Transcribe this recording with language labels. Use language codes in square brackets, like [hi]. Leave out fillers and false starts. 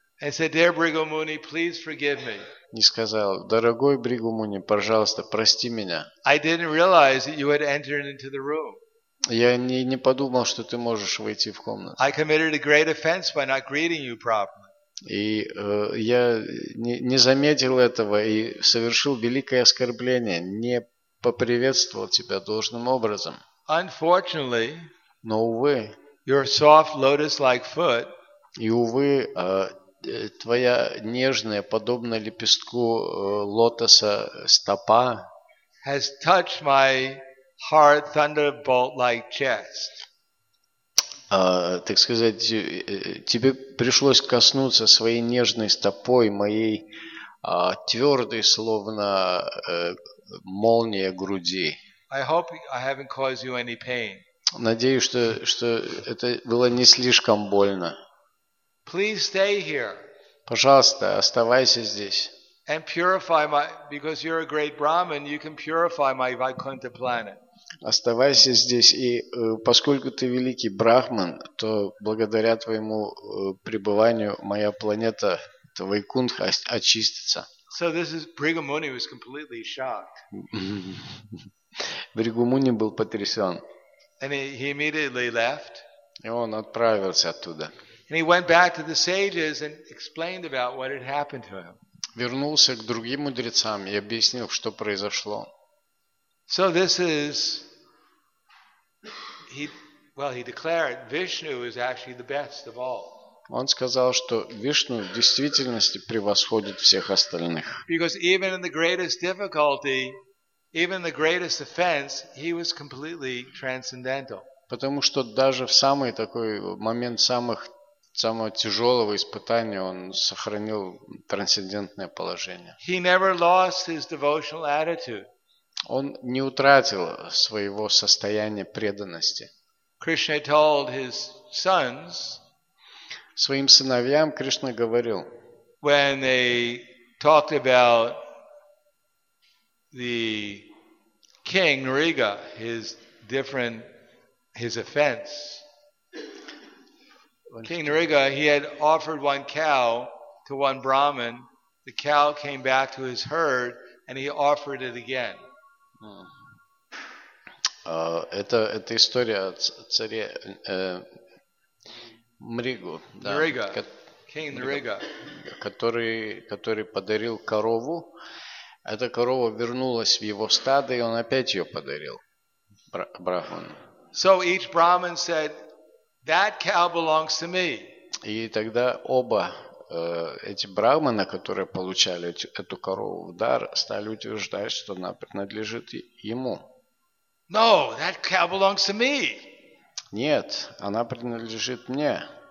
[en] And said, "Dear Bhrigu Muni, please forgive me." [ru] И сказал, дорогой Бригу Муни, пожалуйста, прости меня. [en] I didn't realize that you had entered into the room. [ru] Я не подумал, что ты можешь войти в комнату. [en] I committed a great offense by not greeting you properly. [ru] И я не заметил этого и совершил великое оскорбление, не поприветствовал тебя должным образом. [en] Unfortunately, [ru] но увы, [en] your soft lotus-like foot, [ru] и увы, твоя нежная, подобно лепестку лотоса стопа, [en] has touched my hard thunderbolt-like chest. [ru] Так сказать, тебе пришлось коснуться своей нежной стопой моей твердой, словно молния груди. [en] I hope I haven't caused you any pain. [ru] Надеюсь, что это было не слишком больно. [en] Please stay here. [ru] Пожалуйста, оставайся здесь. [en] And purify my, because you're a great Brahmin, you can purify my Vaikuntha planet. [ru] Оставайся здесь, и поскольку ты великий брахман, то благодаря твоему пребыванию моя планета, твой кунх, очистится. [en] So this is Bhrigu Muni was completely shocked. [ru] Бригу Муни был потрясен. [en] And he immediately left. [ru] И он отправился оттуда. [en] And he went back to the sages and explained about what had happened to him. [ru] Вернулся к другим мудрецам и объяснил, что произошло. [en] So this is he declared Vishnu is actually the best of all. [ru] Он сказал, что Вишну в действительности превосходит всех остальных. [en] Because even in the greatest difficulty, even in the greatest offense, he was completely transcendental. [ru] Потому что даже в самый такой момент самого тяжелого испытания он сохранил трансцендентное положение. [en] He never lost his devotional attitude. [ru] Он не утратил своего состояния преданности. [en] Krishna told his sons, [ru] своим сыновьям Кришна говорил, [en] when they talked about the king Nariga, his offense. King Nariga, he had offered one cow to one Brahmin. The cow came back to his herd and he offered it again. [ru] Это история о царе Мригу, Нарига, [en] King Nariga, [ru] который подарил корову. Эта корова вернулась в его стадо, и он опять ее подарил брахману. [en] So each Brahmin said, "That cow belongs to me." [ru] И тогда оба эти брахманы, которые получали эту корову в дар, стали утверждать, что она принадлежит ему. [en] No, that cow belongs to me. [ru] Нет, она принадлежит мне.